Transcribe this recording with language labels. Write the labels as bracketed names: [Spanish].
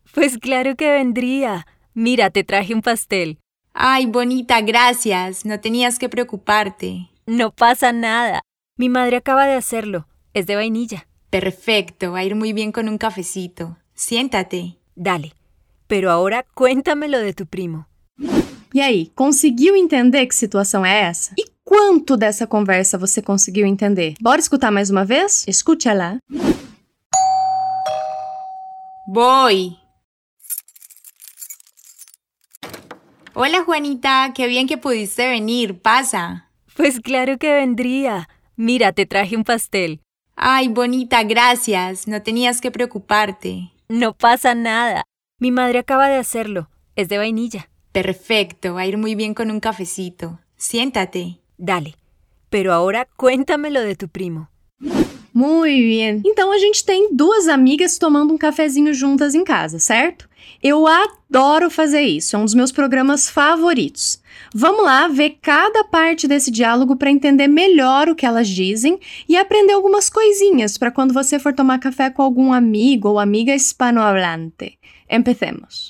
[Spanish] Pues claro que vendría. Mira, te traje un pastel. Ay, bonita, gracias. No tenías que preocuparte. No pasa nada. Mi madre acaba de hacerlo. Es de vainilla. Perfecto. Va a ir muy bien con un cafecito. Siéntate. Dale. Pero ahora cuéntame lo de tu primo. [Portuguese] E aí, conseguiu entender que situação é essa? E quanto dessa conversa você conseguiu entender? Bora escutar mais uma vez? Escute lá. [Spanish] Voy. Hola, Juanita. Qué bien que pudiste venir. Pasa. Pues claro que vendría. Mira, te traje un pastel. Ay, bonita, gracias. No tenías que preocuparte. No pasa nada. Mi madre acaba de hacerlo. Es de vainilla. Perfecto. Va a ir muy bien con un cafecito. Siéntate. Dale. Pero ahora cuéntame lo de tu primo. Muy bien. [Portuguese] Então a gente tem duas amigas tomando um cafezinho juntas em casa, certo? Eu adoro fazer isso. É um dos meus programas favoritos. Vamos lá ver cada parte desse diálogo para entender melhor o que elas dizem e aprender algumas coisinhas para quando você for tomar café com algum amigo ou amiga hispanohablante. [Spanish] Empecemos.